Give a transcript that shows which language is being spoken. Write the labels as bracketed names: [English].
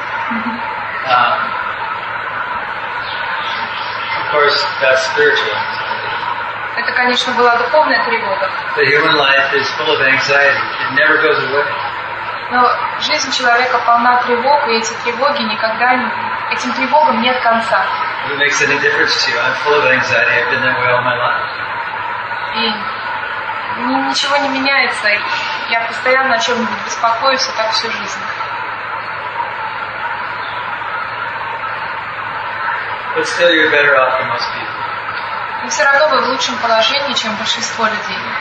[English] Of course, that's spiritual. [Russian] Это, конечно, была духовная тревога. [English] The human life is full of anxiety. It never goes away. [Russian] Но жизнь человека полна тревог, и эти тревоги никогда не... этим тревогам нет конца. [English] If it makes any difference to you, I'm full of anxiety. I've been that way all my life. [Russian] И ничего не меняется. Я постоянно о чем-нибудь беспокоюсь, и так всю жизнь. [English] But still you're better off than most people. [Russian] Но все равно вы в лучшем положении, чем большинство людей.